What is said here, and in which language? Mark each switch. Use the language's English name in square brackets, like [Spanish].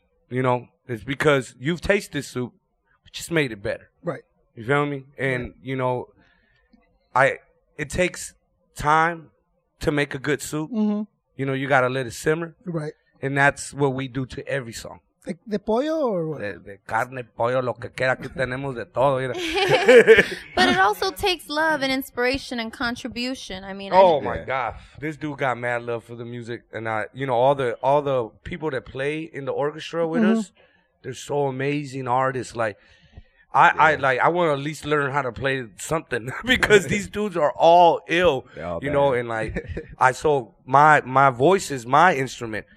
[English] You know, it's because you've tasted soup, we just made it better, right? You feel me? And you know, it takes time to make a good soup. You know, you got to let it simmer. Right. And that's what we do to every song. [Spanish] De pollo [English] or what? [Spanish] De carne, pollo, lo que quiera que tenemos de todo. [English] You know? But it also takes love and inspiration and contribution. I mean, God. This dude got mad love for the music. And, all the people that play in the orchestra with us, they're so amazing artists. Like, I want to at least learn how to play something because these dudes are all ill, know, and like, my voice is my instrument.